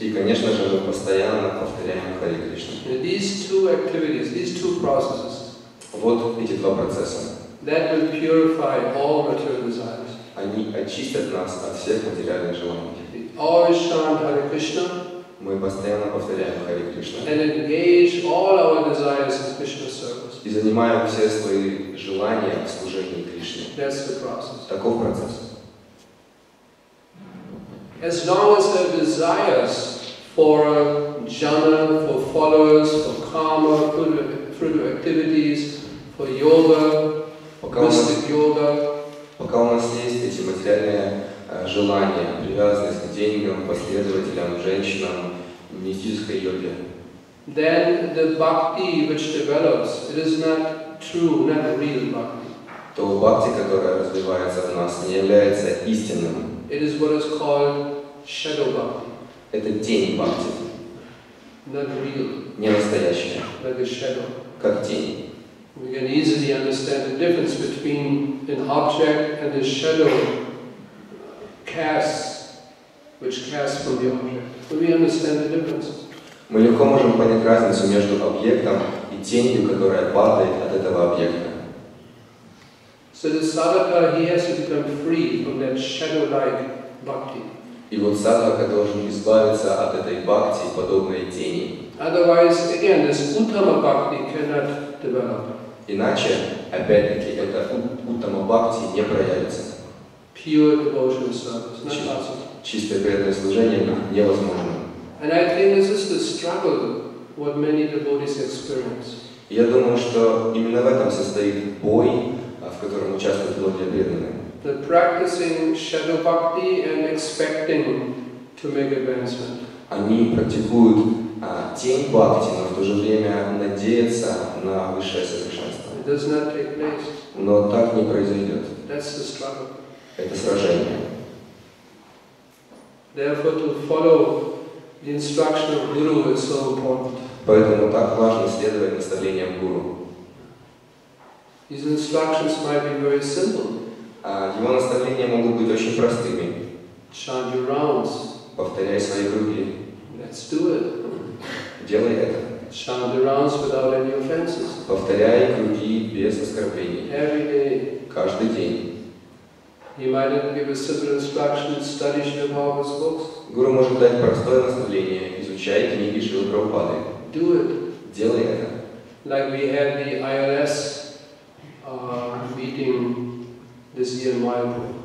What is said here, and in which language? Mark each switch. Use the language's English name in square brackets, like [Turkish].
[Russian] И конечно же, мы постоянно повторяем Хари Кришна. [English] These two activities, these two processes. [Russian] Вот эти два процесса. [English] That will purify all material desires. [Russian] Они очистят нас от всех материальных желаний. [English] We always chant Hare Krishna. [Russian] Мы постоянно повторяем Хари Кришна. [English] And engage all our desires in Krishna service. [Russian] И занимаем все свои желания в служении Кришне. [English] That's the process. [Russian] Таков процесс. [English] As long as there are desires for jhana, for followers, for karma, fruit of activities, for yoga. [Russian] Пока у нас есть эти материальные желания, привязанность к деньгам, последователям, женщинам, мистической йоге. [English] Then the bhakti which develops, it is not true, not real bhakti. [Russian] То бхакти, которая развивается в нас, не является истинным. [English] It is what is called shadow bhakti. [Russian] Это тень бхакти. [English] Not real. [Russian] Не настоящая. [English] Like a shadow. [Russian] Как тень. [English] We can easily understand the difference between an object and a shadow casts, which casts from the object. But we understand the difference. [Russian] Мы легко можем понять разницу между объектом и тенью, которая падает от этого объекта. [English] So the sadhaka, he has to become free from that shadow-like bhakti. [Russian] И вот sadhaka должен избавиться от этой бхакти, подобной тени. [English] Otherwise, again, this uttama bhakti cannot develop. [Russian] Иначе, опять-таки, это уттама бхакти не проявится. [English] Pure devotional service, not possible. [Russian] Чистое преданное служение невозможно. [English] And I think this is the struggle what many devotees experience. [Russian] Я думаю, что именно в этом состоит бой, в котором участвуют многие преданные. [English] The practicing shadow bhakti and expecting to make advancement. [Russian] Они практикуют тень бхакти, но в то же время надеяться на высшее совершенство. [English] It does not take place. [Russian] Но так не произойдет. [English] That's the struggle. [Russian] Это сражение. [English] Therefore, to follow the instruction of guru is so important. [Russian] Поэтому так важно следовать наставлениям гуру. [English] His instructions might be very simple. [Russian] Его наставления могут быть очень простыми. [English] Chant your rounds. [Russian] Повторяй свои круги. [English] Let's do it. [Russian] Делай это. [English] Chant the rounds without any offenses. [Russian] Повторяй круги без оскорблений. [English] Every day. [Russian] Каждый день. [English] He might even give a simple instruction: study Śrīla Prabhupāda's books. [Russian] Гуру может дать простое наставление: изучай книги Шрилы Прабхупады. [English] Do it. [Russian] Делай это. [English] Like we had the ILS meeting this year in Майяпур.